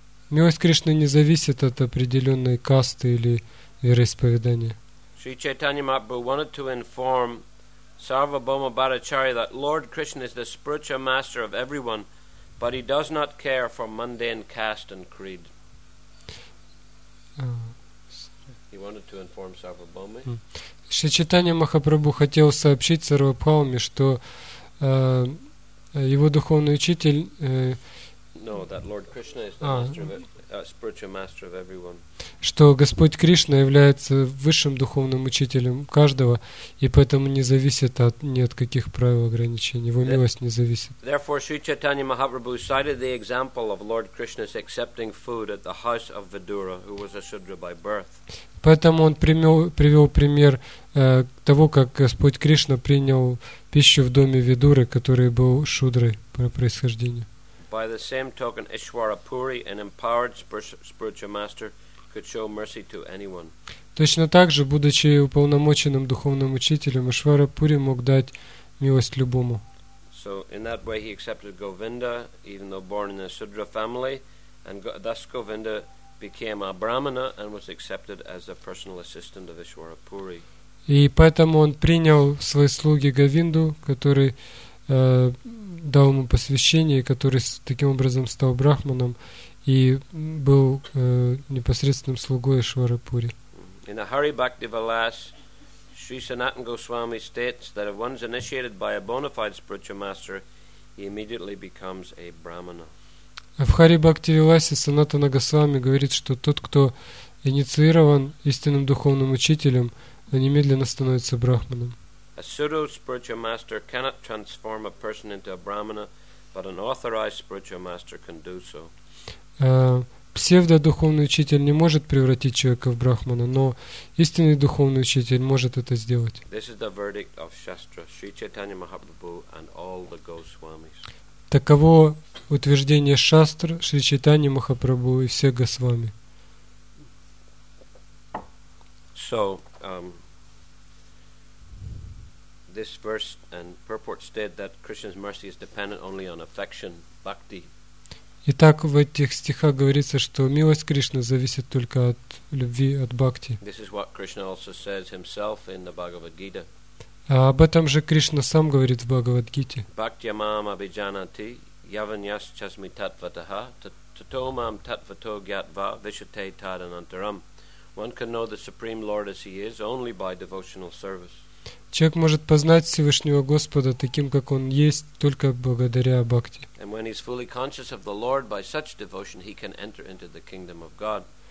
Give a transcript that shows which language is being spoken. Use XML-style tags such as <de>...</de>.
<ru>Милость Кришны не зависит от определенной касты или вероисповедания.</ru> <en>Sri Chaitanya Mahaprabhu wanted to inform Sarvabhauma Bhattacharya that Lord Krishna is the spiritual master of everyone, but he does not care for mundane caste and creed. He wanted to inform Sarvabhauma.</en> <ru>Шри Чайтанья Махапрабху хотел сообщить Сарвабхауме, что его духовный учитель</ru> <en>that Lord Krishna is the master of spiritual master of everyone.</en> <ru>Что Господь Кришна является высшим духовным учителем каждого, и поэтому не зависит от ни от каких правил ограничений. Его милость не зависит.</ru> <en>Therefore, Sri Chaitanya Mahaprabhu cited the example of Lord Krishna's accepting food at the house of Vidura, who was a Shudra by birth.</en> <ru>Поэтому он привел пример того, как Господь Кришна принял пищу в доме Видуры, который был шудрой по происхождению.</ru> <en>By the same token, Ishwarapuri, an empowered spiritual master, could show mercy to anyone.</en> <ru>Точно так же, будучи уполномоченным духовным учителем, Ишварапури мог дать милость любому.</ru> <en>So in that way, he accepted Govinda, even though born in a Sudra family, and thus Govinda became a Brahmana and was accepted as a personal assistant of Ishwarapuri.</en> <ru>И поэтому он принял в свои слуги Говинду, который дал ему посвящение, который таким образом стал брахманом и был непосредственным слугой Ишварапури.</ru> <en>In the Hari Bhakti Vilas, Sri Sanatana Goswami states that if one is initiated by a bona fide spiritual master, he immediately becomes a brahmana.</en> <ru>В Хари Бхакти Виласе Санатана Госвами говорит, что тот, кто инициирован истинным духовным учителем, немедленно становится брахманом.</ru> <en>A pseudo spiritual master cannot transform a person into a brahmana, but an authorized spiritual master can do so.</en> <ru>Псевдо-духовный учитель не может превратить человека в брахмана, но истинный духовный учитель может это сделать.</ru> <en>This is the verdict of Shastra, Sri Chaitanya Mahaprabhu and all the Goswamis.</en> <ru>Таково утверждение Шастр, Шри Чайтанья Махапрабху и всех Госвами.</ru> <en>So, this verse and purport state that Krishna's mercy is dependent only on affection, bhakti.</en> <ru>Итак, в этих стихах говорится, что милость Кришны зависит только от любви, от бхакти.</ru> <en>This is what Krishna also says himself in the Bhagavad Gita.</en> <ru>А об этом же Кришна сам говорит в Бхагавад-гите.</ru> <sa>Bhaktya mam abhijanati yavanyaschasmi tattvataha tato mam tattvato gyatva vishate tadanantaram.</sa> <en>One can know the Supreme Lord as he is only by devotional service.</en> <ru>Человек может познать Всевышнего Господа таким, как он есть, только благодаря бхакти.</ru> <en>And when he is fully conscious of the Lord by such devotion, he can enter into the kingdom of God.</en>